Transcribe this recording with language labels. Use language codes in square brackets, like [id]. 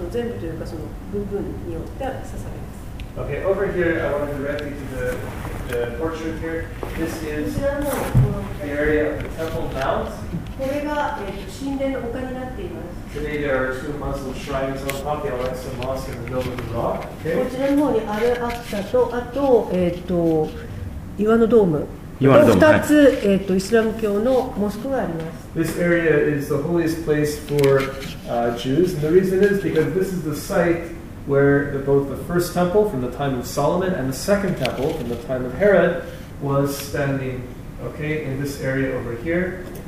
[ja] で、その全部というかその部分によって捧げます。 [en] Okay, over here, I want to direct you to the portrait here. This is the area of the Temple Mount. [ja] これが、神殿の丘になっています。 [en] Today there are two Muslim shrines on top. They are like some mosque in the middle of the rock. Okay. [ja] こちらの方にアルアクサと、あと、岩のドーム。 2 つ、イスラム教のモスクがあります。 [en] This area is the holiest place for Jews. And the reason is because this is the site where both the first temple from the time of Solomon and the second temple from the time of Herod was standing, okay, in this area over here.